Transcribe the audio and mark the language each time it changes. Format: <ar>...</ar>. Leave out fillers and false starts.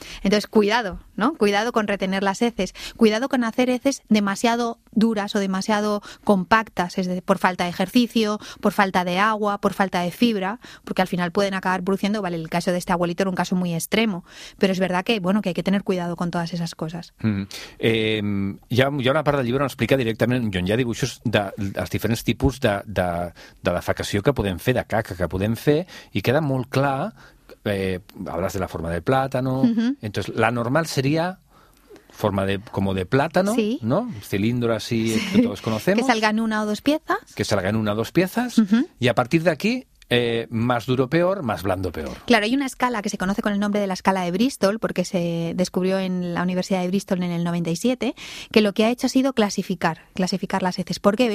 <es>Entonces, cuidado, ¿no? Cuidado con retener las heces. Cuidado con hacer heces demasiado duras o demasiado compactas, es decir, por falta de ejercicio, por falta de agua, por falta de fibra, porque al final pueden acabar produciendo, vale, el caso de este abuelito era un caso muy extremo, pero es verdad que, bueno, que hay que tener cuidado con todas esas cosas.</es> <ca>Ya una part del llibre no explica directament, on hi ha dibuixos dels diferents tipus de defecació que podem fer, de caca que podem fer, i queda molt clar.</ca> <es>Hablas de la forma de plátano. Uh-huh. Entonces, la normal sería forma de como de plátano, sí. ¿No? Cilindro así, sí. Que todos conocemos. Que salgan una o dos piezas. Uh-huh. Y a partir de aquí, más duro peor, más blando peor. Claro, hay una escala que se conoce con el nombre de la escala de Bristol, porque se descubrió en la Universidad de Bristol en el 97, que lo que ha hecho ha sido clasificar las heces. ¿Por qué?</es>